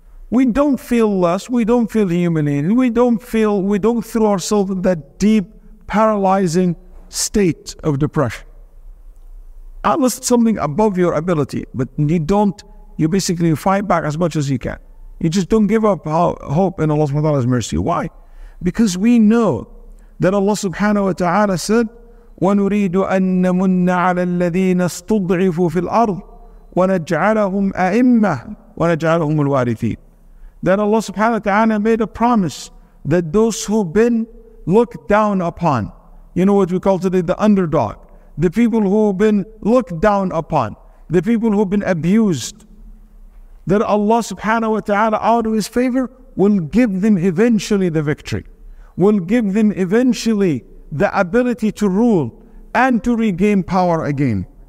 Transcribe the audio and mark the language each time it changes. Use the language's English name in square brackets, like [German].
[English] We don't feel less, we don't feel humiliated, we don't throw ourselves in that deep, paralyzing state of depression. Unless it's something above your ability, but you basically fight back as much as you can. You just don't give up hope in Allah subhanahu wa ta'ala's mercy. Why? Because we know that Allah subhanahu wa ta'ala said, [Arabic] وَنُرِيدُ أَنَّ مُنَّ عَلَى الَّذِينَ اسْتُضْعِفُوا فِي الْأَرْضِ وَنَجْعَلَهُمْ أَئِمَّةً وَنَجْعَلَهُمُ الْوَارِثِينَ. [English] That Allah subhanahu wa ta'ala made a promise that those who've been looked down upon, you know what we call today the underdog, the people who've been looked down upon, the people who've been abused, that Allah subhanahu wa ta'ala out of His favor will give them eventually the victory, will give them eventually the ability to rule and to regain power again.